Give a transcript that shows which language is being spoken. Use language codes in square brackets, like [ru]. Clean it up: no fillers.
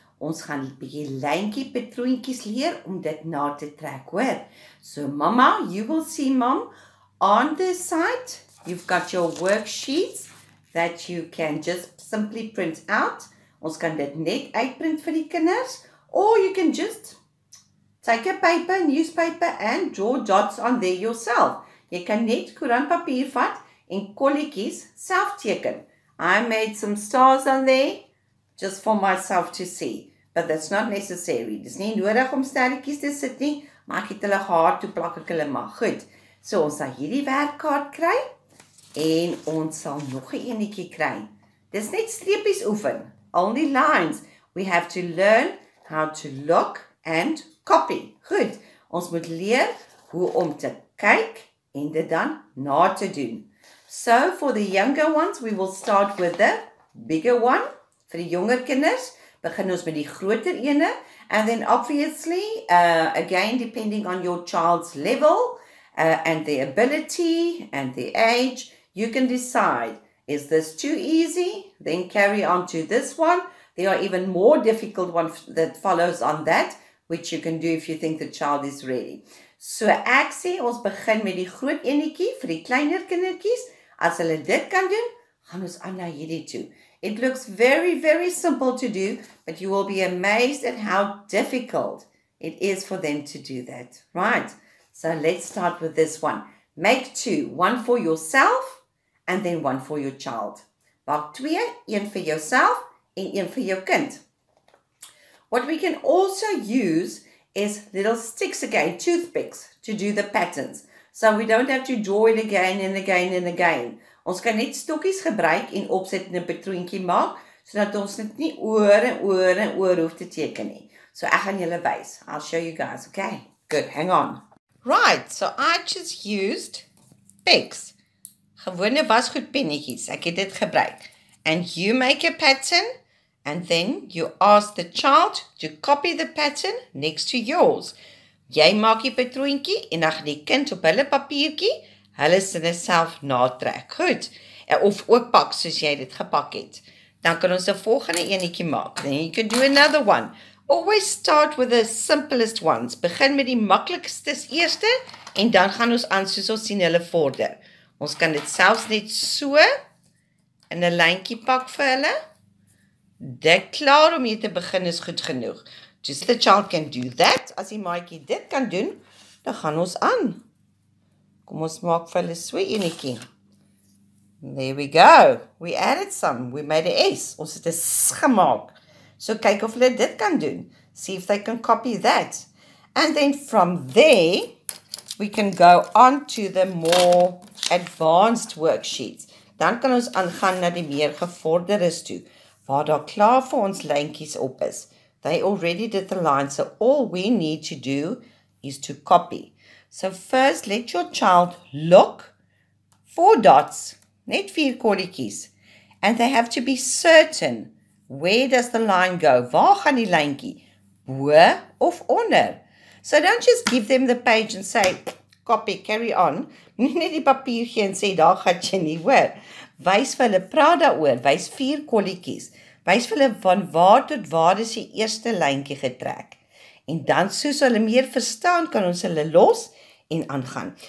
[af] Ons gaan 'n bietjie lyntjie patroontjies leer om dit na te trek, hoor. [en] So, mama, you will see, mom, on this side, you've got your worksheets that you can just simply print out. [af] Ons kan dit net uitprint vir die kinders, [en] or you can just take a paper, newspaper, and draw dots on there yourself. [af] Jy kan net koerantpapier vat en kolletjies self teken. [en] I made some stars on there, just for myself to see. But that's not necessary. [af] Dit is nie nodig om sterretjies te sit nie, maar ek het hulle gehad, toe plak ek hulle maar. Goed, so ons sal hierdie werkkaart kry, en ons sal nog een enetjie kry. Dit is net streepies oefen. [en] Only lines. We have to learn how to look and copy. [af] Goed, ons moet leer hoe om te kyk en dit dan na te doen. [en] So, for the younger ones, we will start with the bigger one. [af] Vir die jonger kinders, begin ons met die groter ene. [en] And then obviously, again, depending on your child's level, and their ability, and their age, you can decide. Is this too easy? Then carry on to this one. There are even more difficult ones that follows on that, which you can do if you think the child is ready. [af] So ek sê, ons begin met die groot enetjie vir die kleiner kindertjies. As hulle dit kan doen, gaan ons aan na hierdie toe. [en] It looks very, very simple to do, but you will be amazed at how difficult it is for them to do that. Right, so let's start with this one. Make two, one for yourself, and then one for your child. [af] Maak twee, een vir jouself en een vir jou kind. [en] What we can also use is little sticks again, toothpicks, to do the patterns. So we don't have to draw it again and again and again. [af] Ons kan net stokkies gebruik en opset en 'n patroontjie maak, sodat ons dit nie oor en oor en oor hoef te teken nie. So ek gaan julle wys. [en] I'll show you guys, okay? Good, hang on. Right, so I just used picks. [af] Gewone wasgoedpennetjies, ek het dit gebruik. [en] And you make a pattern, and then you ask the child to copy the pattern next to yours. [af] Jy maak die patroontjie, en dan gaan die kind op hulle papiertjie, hulle sinne self natrek. Goed, of ook pak soos jy dit gepak het. Dan kan ons die volgende enetjie maak. [en] Then you can do another one. Always start with the simplest ones. [af] Begin met die makkelijkstes eerste, en dan gaan ons aan soos ons sien hulle vorder. Ons kan dit selfs net so in 'n lyntjie pak vir hulle. Dit klaar om hier te begin is goed genoeg. [en] Just the child can do that. [af] As die maatjie dit kan doen, dan gaan ons aan. Kom ons maak vir hulle so enetjie. [en] There we go. We added some. We made a S. [af] Ons het 'n S gemaak. So kyk of hulle dit kan doen. [en] See if they can copy that. And then from there, we can go on to the more advanced worksheets. [af] Dan kan ons aangaan na die meer gevorderdes toe, waar daar klaar vir ons lyntjies op is. [en] They already did the line, so all we need to do is to copy. So first, let your child look. Four dots, [af] net vier kolletjies. [en] And they have to be certain, where does the line go? [af] Waar gaan die lyntjie? Bo of onder? [en] So don't just give them the page and say, copy, carry on. [af] Net die papiertjie en sê, daar gaat jy nie hoor. Wys vir hulle, praat daaroor, wys vier kolletjies. Wys vir hulle van waar tot waar is die eerste lyntjie getrek. En dan soos hulle meer verstaan, kan ons hulle los en aangaan.